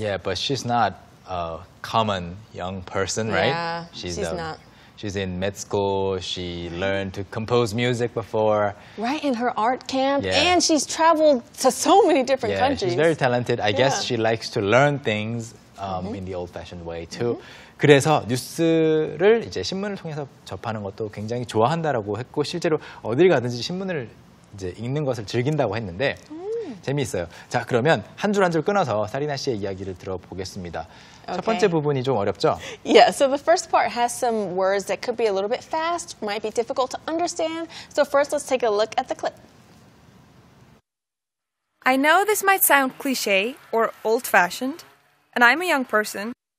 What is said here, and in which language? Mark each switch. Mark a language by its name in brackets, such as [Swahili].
[English] Yeah, but she's not a common young person, right? Yeah, she's not. She's in med school. She learned to compose music before. Right, in her art camp. Yeah. And she's traveled to so many different countries. Yeah, she's very talented. I guess she likes to learn things in the old-fashioned way, too. Mm-hmm. [Korean] 그래서 뉴스를 이제 신문을 통해서 접하는 것도 굉장히 좋아한다라고 했고 실제로 어딜 가든지 신문을 이제 읽는 것을 즐긴다고 했는데 재미있어요. 자, 그러면 한 줄 한 줄 끊어서 사리나 씨의 이야기를 들어보겠습니다. [English] Okay. [Korean] 첫 번째 부분이 좀 어렵죠? [English] Yeah, so the first part has some words that could be a little bit fast, might be difficult to understand. So first let's take a look at the clip. I know this might sound cliche or old-fashioned, and I'm a young person.